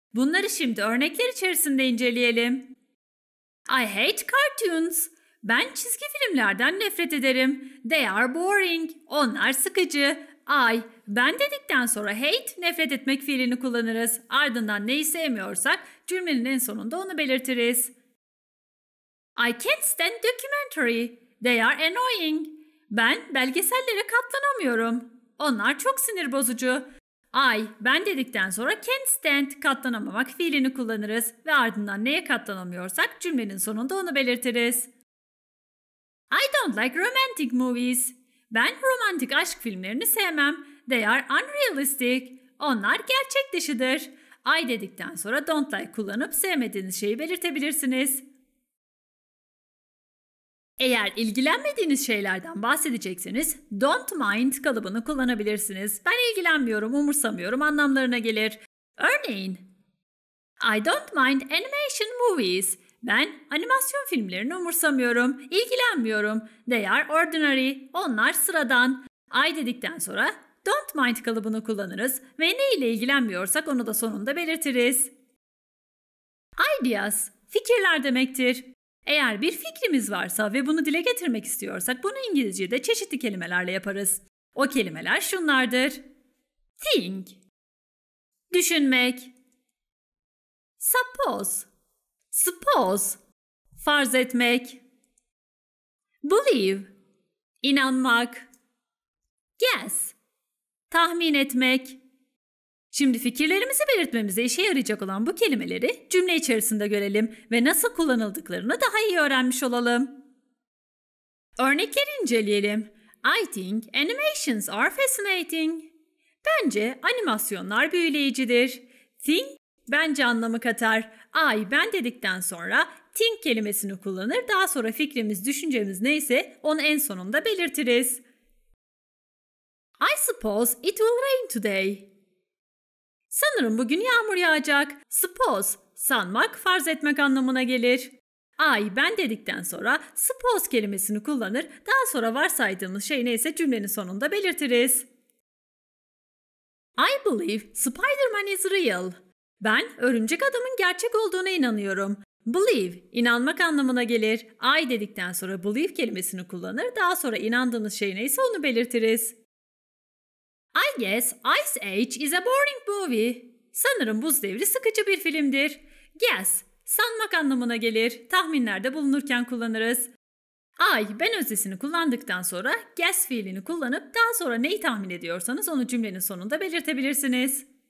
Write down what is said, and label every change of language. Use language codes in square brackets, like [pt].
[tr] Bunları şimdi örnekler içerisinde inceleyelim. [en] I hate cartoons. [tr] Ben çizgi filmlerden nefret ederim. [en] They are boring. [tr] Onlar sıkıcı. I, ben dedikten sonra hate, nefret etmek fiilini kullanırız. Ardından neyi sevmiyorsak cümlenin en sonunda onu belirtiriz. [en] I can't stand documentary. They are annoying. [tr] Ben belgesellere katlanamıyorum. Onlar çok sinir bozucu. I, ben dedikten sonra can't stand, katlanamamak fiilini kullanırız. Ve ardından neye katlanamıyorsak cümlenin sonunda onu belirtiriz. [en] I don't like romantic movies. [tr] Ben romantik aşk filmlerini sevmem. [en] They are unrealistic. [tr] Onlar gerçek dışıdır. I dedikten sonra don't like kullanıp sevmediğiniz şeyi belirtebilirsiniz. Eğer ilgilenmediğiniz şeylerden bahsedecekseniz don't mind kalıbını kullanabilirsiniz. Ben ilgilenmiyorum, umursamıyorum anlamlarına gelir. [en] Örneğin, I don't mind animation movies. [tr] Ben animasyon filmlerini umursamıyorum, ilgilenmiyorum. [en] They are ordinary, [tr] onlar sıradan. I dedikten sonra don't mind kalıbını kullanırız ve ne ile ilgilenmiyorsak onu da sonunda belirtiriz. Ideas, fikirler demektir. Eğer bir fikrimiz varsa ve bunu dile getirmek istiyorsak bunu İngilizce'de çeşitli kelimelerle yaparız. O kelimeler şunlardır. Think, düşünmek. Suppose, farz etmek. Believe, inanmak. Guess, tahmin etmek. Şimdi fikirlerimizi belirtmemize işe yarayacak olan bu kelimeleri cümle içerisinde görelim ve nasıl kullanıldıklarını daha iyi öğrenmiş olalım. Örnekleri inceleyelim. [en] I think animations are fascinating. [tr] Bence animasyonlar büyüleyicidir. Think, bence anlamı katar. I, ben dedikten sonra think kelimesini kullanır. Daha sonra fikrimiz, düşüncemiz neyse onu en sonunda belirtiriz. [en] I suppose it will rain today. [tr] Sanırım bugün yağmur yağacak. Suppose, sanmak, farz etmek anlamına gelir. I, ben dedikten sonra suppose kelimesini kullanır. Daha sonra varsaydığımız şey neyse cümlenin sonunda belirtiriz. [en] I believe Spider-Man is real. [tr] Ben örümcek adamın gerçek olduğuna inanıyorum. Believe, inanmak anlamına gelir. I dedikten sonra believe kelimesini kullanır. Daha sonra inandığınız şey neyse onu belirtiriz. [en] I guess Ice Age is a boring movie. [tr] Sanırım Buz Devri sıkıcı bir filmdir. Guess, sanmak anlamına gelir. Tahminlerde bulunurken kullanırız. I, ben öznesini kullandıktan sonra guess fiilini kullanıp daha sonra neyi tahmin ediyorsanız onu cümlenin sonunda belirtebilirsiniz.